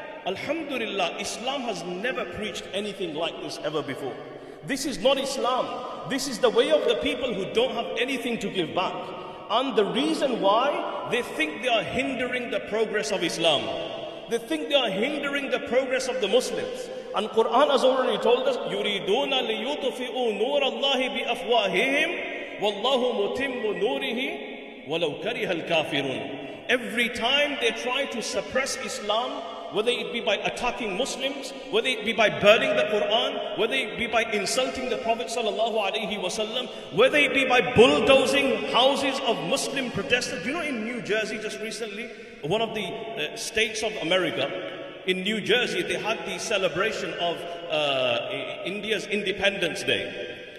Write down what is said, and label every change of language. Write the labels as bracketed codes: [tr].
[en] Alhamdulillah, Islam has never preached anything like this ever before. This is not Islam. This is the way of the people who don't have anything to give back. And the reason why, they think they are hindering the progress of Islam. They think they are hindering the progress of the Muslims. And Quran has already told us, [ar] يُرِيدُونَ لِيُطْفِئُوا نُورَ اللَّهِ بِأَفْوَاهِهِمْ وَاللَّهُ مُتِمُّ نُورِهِ وَلَوْ كَرِهَ الْكَافِرُونَ. [en] Every time they try to suppress Islam, whether it be by attacking Muslims, whether it be by burning the Quran, whether it be by insulting the Prophet sallallahu alaihi wasallam, whether it be by bulldozing houses of Muslim protesters. You know, in New Jersey just recently, one of the states of America, in New Jersey, they had the celebration of India's Independence Day.